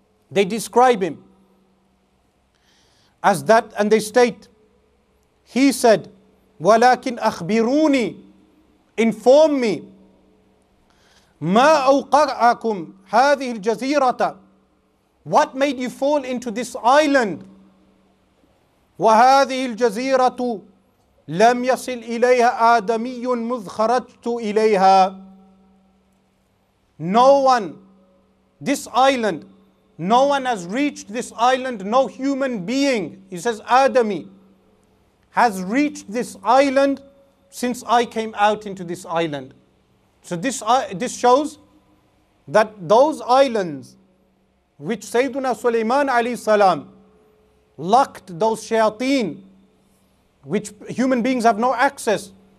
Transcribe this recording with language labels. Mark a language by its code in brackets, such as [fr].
[en] They describe him as that, and they state, he said, [ar] walakin akhbiruni, [en] inform me, [ar] ma awqa'akum hadhihi al-jazirata, [en] what made you fall into this island? [ar] وهذه الجزيرة لم يصل إليها آدمي مذ خرجت إليها. [en] No one, this island, no one has reached this island, no human being, he says Adami, has reached this island since I came out into this island. So this shows that those islands which Sayyiduna Sulaiman alayhi salam locked those shayateen, which human beings have no access.